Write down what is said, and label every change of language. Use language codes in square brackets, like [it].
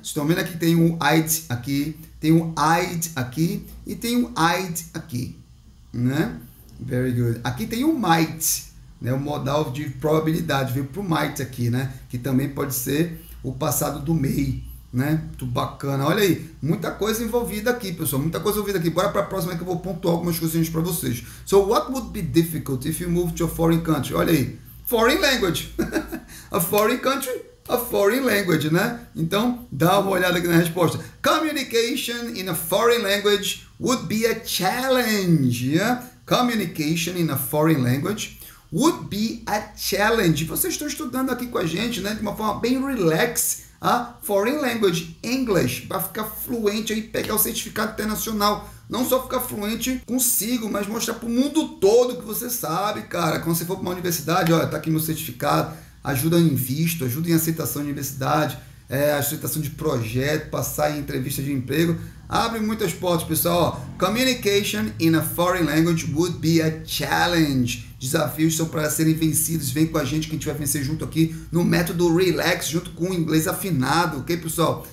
[pt] Estão vendo aqui, tem um I'd aqui, tem um I'd aqui e tem um I'd aqui, né? [en] Very good. [pt] Aqui tem um might, né? O modal de probabilidade veio pro might aqui, né? Que também pode ser o passado do may, né? Muito bacana. Olha aí, muita coisa envolvida aqui, pessoal. Muita coisa envolvida aqui. Bora pra próxima que eu vou pontuar algumas coisinhas para vocês. [en] So, what would be difficult if you moved to a foreign country? [pt] Olha aí. Foreign language. A foreign country, a foreign language, né? Então, dá uma olhada aqui na resposta. [en] Communication in a foreign language would be a challenge, yeah? Communication in a foreign language would be a challenge. [pt] Vocês estão estudando aqui com a gente, né? De uma forma bem relax, a foreign language, English, para ficar fluente aí, pegar o certificado internacional. Não só ficar fluente consigo, mas mostrar para o mundo todo que você sabe, cara. Quando você for para uma universidade, olha, tá aqui meu certificado. Ajuda em visto, ajuda em aceitação de universidade, aceitação de projeto, passar em entrevista de emprego. Abre muitas portas, pessoal. [en] Communication in a foreign language would be a challenge. [pt] Desafios são para serem vencidos. Vem com a gente que a gente vai vencer junto aqui no método Relax, junto com o inglês afinado, ok, pessoal?